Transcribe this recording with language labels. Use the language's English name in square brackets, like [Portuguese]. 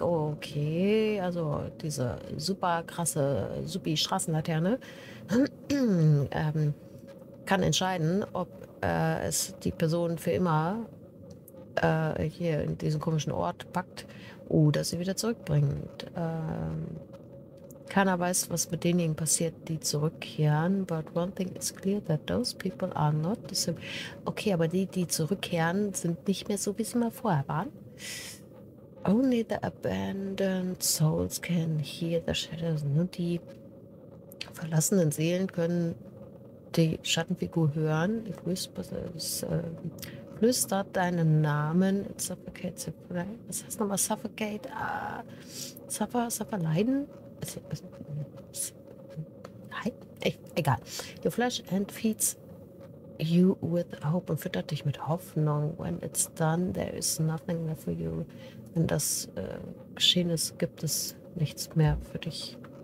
[German] Oh, okay, also diese super krasse, supi Straßenlaterne kann entscheiden, ob es die Person für immer hier in diesen komischen Ort packt oder sie wieder zurückbringt. Keiner weiß, was mit denjenigen passiert, die zurückkehren. [English] But one thing is clear that those people are not the same. [German] Okay, aber die zurückkehren, sind nicht mehr so, wie sie mal vorher waren. [English] Only the abandoned souls can hear the shadows. [German] Nur die verlassenen Seelen können die Schattenfigur hören. [English] It whispers, [German] flüstert deinen Namen. [English] It suffocates it. [German] Was heißt nochmal? [English] Suffocate? Suffer, [German] leiden? Nein, egal. [English] Your flesh and feeds you with hope [German] und fütter dich mit Hoffnung. [English] When it's done, there is nothing left for you. [German] Wenn das geschehen ist, gibt es nichts mehr für dich.